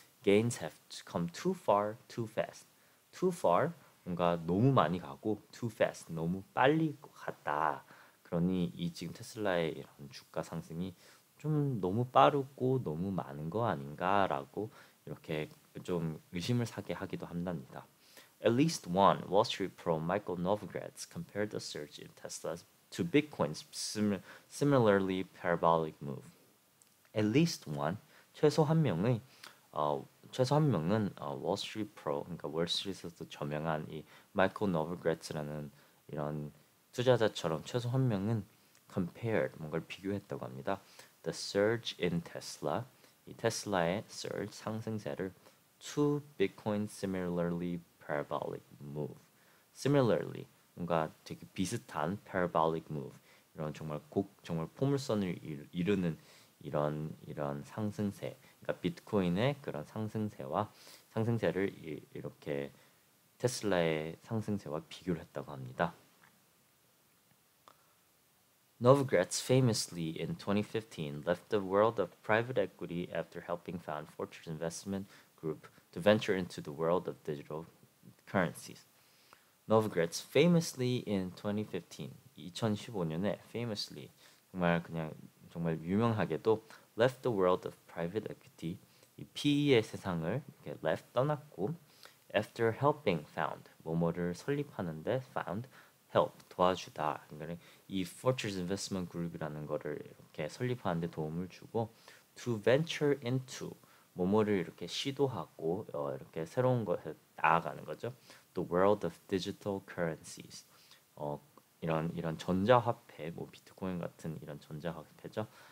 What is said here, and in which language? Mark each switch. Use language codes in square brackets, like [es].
[en] gains have come too far, too fast. Too far, [ko] 뭔가 너무 많이 가고 [en] too fast, [ko] 너무 빨리 갔다. 그러니 이 지금 테슬라의 이런 주가 상승이 좀 너무 빠르고 너무 많은 거 아닌가라고 이렇게 좀 의심을 사게 하기도 한답니다. [en] At least one Wall Street pro Michael Novogratz compared the surge in Tesla to Bitcoin's similarly parabolic move. At least one, [ko] 최소 한 명의 최소 한 명은 [en] Wall Street pro [ko] 그러니까 월스트리트에서 저명한 이 Michael Novogratz라는 이런 투자자처럼 최소 한 명은 [en] compared [ko] 뭔가를 비교했다고 합니다. [en] The surge in Tesla, [ko] 이 테슬라의 [en] surge [ko] 상승세를 [en] to Bitcoin similarly parabolic move. Similarly, [ko] 뭔가 되게 비슷한 [en] parabolic move [ko] 이런 정말 정말 포물선을 이루는 이런 상승세, 그러니까 비트코인의 그런 상승세를 이렇게 테슬라의 상승세와 비교를 했다고 합니다. [en] Novogratz famously in 2015 left the world of private equity after helping found Fortress Investment Group to venture into the world of digital currencies. Novogratz famously in 2015, 2015년에 famously [ko] 정말 그냥 정말 유명하게도 [en] left the world of private equity, [ko] 이 PE의 세상을 이렇게 [en] left [ko] 떠났고 [en] after helping found [ko] 뭐뭐를 설립하는데 [en] found help [ko] 도와주다. 이 Fortress Investment Group이라는 거를 이렇게 설립하는데 도움을 주고 [en] to venture into [ko] 뭐뭐를 이렇게 시도하고 이렇게 새로운 것에 나아가는 거죠. [en] The world of digital currencies. [ko] 이런 전자화폐, 뭐 비트코인 같은 이런 전자화폐죠.